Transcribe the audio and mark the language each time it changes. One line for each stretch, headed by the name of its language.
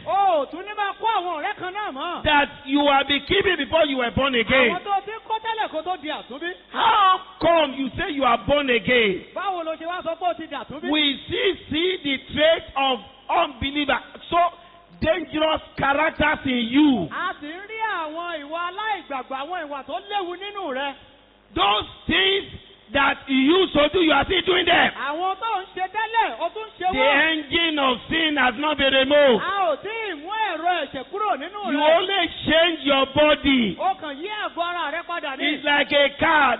Yoruba: Oh, tún ní máa kó àwọn ọ̀rẹ́ kan náà mọ́.
English: That you have been keeping before you were born again.
Yoruba: Àwọn tó ti kọ́ tẹ́lẹ̀ kó tó di àtúnbí.
English: How come you say you are born again?
Yoruba: Báwo ló ṣe wá sọ pé o ti di àtúnbí?
English: We still see the trait of unbeliever. So dangerous characters in you.
Yoruba: A sì ń rí àwọn ìwà aláìgbàgbọ́, àwọn ìwà tó léwu nínú rẹ.
English: Those things that you used to do, you are still doing them.
Yoruba: Àwọn tó ń ṣe tẹ́lẹ̀, o tún ṣe wọ́n.
English: The engine of sin has not been removed.
Yoruba: A ò tí ì mú ẹ̀rọ ẹ̀ṣẹ̀ kúrò nínú rẹ.
English: You only change your body.
Yoruba: O kàn yí ẹ̀bọ ara rẹ padà ni.
English: It's like a car.